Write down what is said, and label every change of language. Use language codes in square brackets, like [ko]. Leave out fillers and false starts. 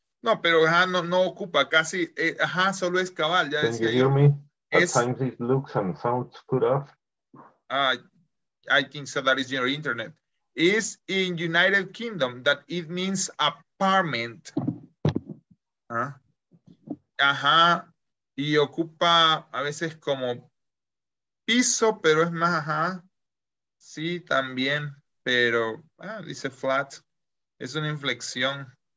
[es] No, pero ajá, no ocupa casi, ajá, solo es cabal, ya decía. [en] Can you hear me? At times it looks and sounds put off. I think so, that is your internet. It's in United Kingdom, that it means apartment. [es] Ajá, y ocupa a veces como piso, pero es más, ajá. Sí, también, pero dice flat, es una inflexión.